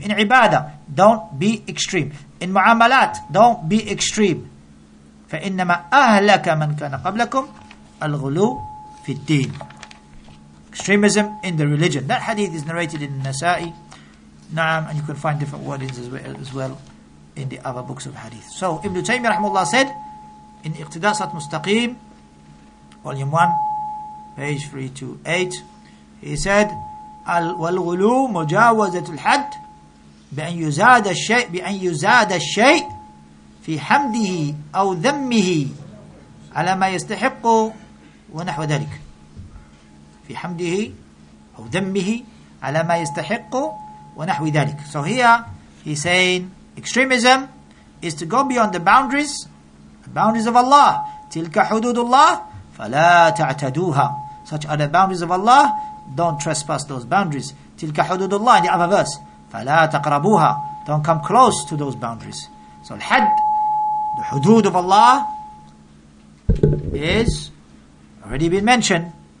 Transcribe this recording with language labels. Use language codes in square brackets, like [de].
[en] In ibadah, don't be extreme. In mu'amalat, don't be extreme. [ar] فَإِنَّمَا أَهْلَكَ مَنْ كَانَ قَبْلَكُمْ الْغُلُو فِي الدِّينِ. [en] Extremism in the religion. That hadith is narrated in Nasa'i. Na'am, and you can find different wordings as well in the other books of hadith. So Ibn Taymiyyah rahimahullah said in Iqtida Sirat Mustaqim, volume 1, page 328, he said, [ar] وَالْغُلُو مُجَاوَزَةُ الْحَدُ بِأَنْ يُزَادَ الشَّيْءٍ في حمده أو ذمه على ما يستحقه ونحو ذلك. في حمده أو ذمه على ما يستحقه ونحو ذلك. [en] So here he's saying extremism is to go beyond the boundaries of Allah. [ar] تلك حدود الله فلا تعتدوها. [en] Such are the boundaries of Allah. Don't trespass those boundaries. [ar] تلك حدود الله. [en] The other verse. [ar] فلا تقربوها. [en] Don't come close to those boundaries. So الحد, the hudud of Allah, is already been mentioned.